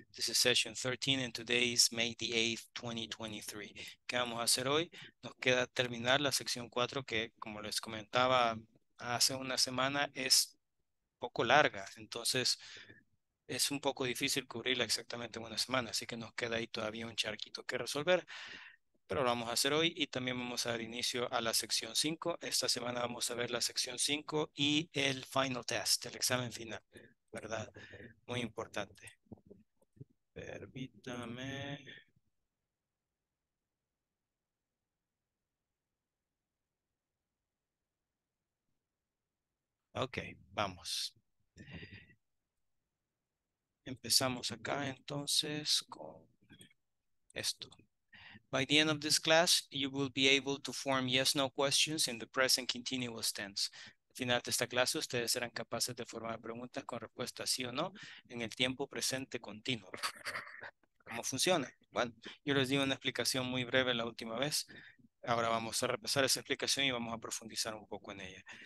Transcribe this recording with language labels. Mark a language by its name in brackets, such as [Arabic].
[English] This is session 13, and today is May the 8th, 2023. [Spanish] ¿Qué vamos a hacer hoy? Nos queda terminar la sección 4, que, como les comentaba hace una semana, es poco larga. Entonces, es un poco difícil cubrirla exactamente en una semana, así que nos queda ahí todavía un charquito que resolver. Pero lo vamos a hacer hoy y también vamos a dar inicio a la sección 5. Esta semana vamos a ver la sección 5 y el final test, el examen final, ¿verdad? Muy importante. Permítame. Ok, vamos. Empezamos acá entonces con esto. [English] By the end of this class, you will be able to form yes-no questions in the present continuous tense. [Spanish] Al final de esta clase, ustedes serán capaces de formar preguntas con respuesta sí o no en el tiempo presente continuo. ¿Cómo funciona? Bueno, yo les di una explicación muy breve la última vez. Ahora vamos a repasar esa explicación y vamos a profundizar un poco en ella.